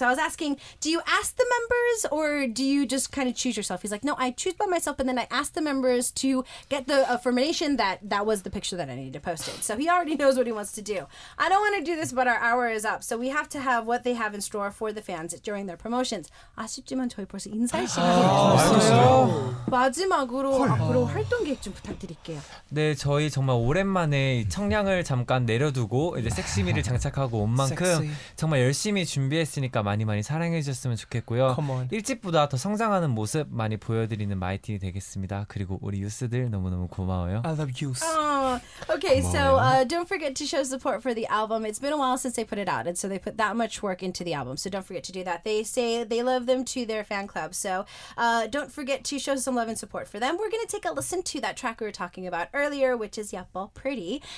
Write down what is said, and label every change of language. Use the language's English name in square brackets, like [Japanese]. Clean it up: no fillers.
[English] So I was asking, do you ask the members or do you just kind of choose yourself? He's like, no, I choose by myself, and then I ask the members to get the affirmation that that was the picture that I needed to post it. So he already knows what he wants to do. I don't want to do this, but our hour is up, so we have to have what they have in store for the fans during their promotions. [Korean] 아쉽지만 저희 벌써 인사할 시간이 됐어요. 마지막으로 앞으로 활동 계획 좀 부탁드릴게요. 네, 저희 정말 오랜만에 청량을 잠깐 내려두고 이제 섹시미를 장착하고 온 만큼 정말 열심히 준비했으니까 많이 많이 사랑해 주셨으면 좋겠고요. 일찍보다 더 성장하는 모습 많이 보여드리는 마이티 되겠습니다. 그리고 우리 유스들 너무너무 고마워요. [English] I love you. Okay, so don't forget to show support for the album. It's been a while since they put it out, and so they put that much work into the album. So don't forget to do that. They say they love them to their fan club. So don't forget to show some love and support for them. We're going to take a listen to that track we were talking about earlier, which is Yeppo Pretty.